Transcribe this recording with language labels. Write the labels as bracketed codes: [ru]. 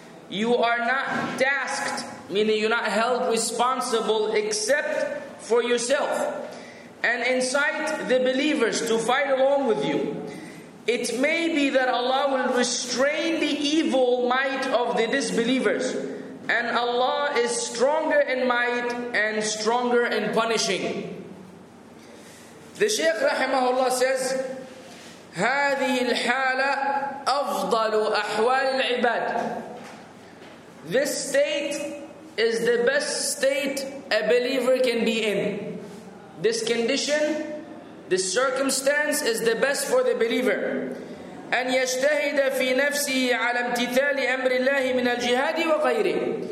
[en] You are not tasked, meaning you're not held responsible except for yourself, and incite the believers to fight along with you. It may be that Allah will restrain the evil might of the disbelievers, and Allah is stronger in might and stronger in punishing. The Shaykh rahimahullah says, [ar] هَذِهِ الْحَالَ أَفْضَلُ أَحْوَالِ الْعِبَادِ. [en] This state is the best state a believer can be in. This condition, this circumstance is the best for the believer. [ar] أَنْ يَجْتَهِدَ فِي نَفْسِهِ عَلَى امْتِثَالِ أَمْرِ اللَّهِ مِنَ الْجِهَادِ وَغَيْرِهِ.